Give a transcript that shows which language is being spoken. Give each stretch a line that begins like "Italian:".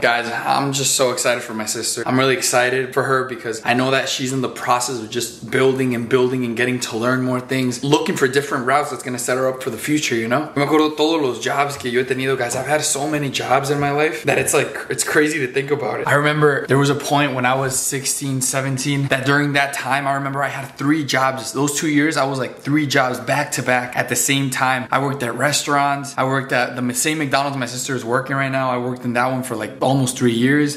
English: Guys, I'm just so excited for my sister. I'm really excited for her because I know that she's in the process of just building and building and getting to learn more things, looking for different routes that's going to set her up for the future, you know?
Spanish: Me acuerdo todos los jobs que yo he tenido, guys.
English: I've had so many jobs in my life that it's like, it's crazy to think about it. I remember there was a point when I was 16, 17, that during that time, I remember I had 3 jobs. Those 2 years, I was like 3 jobs back to back at the same time. I worked at restaurants. I worked at the same McDonald's my sister is working right now. I worked in that one for like almost 3 years.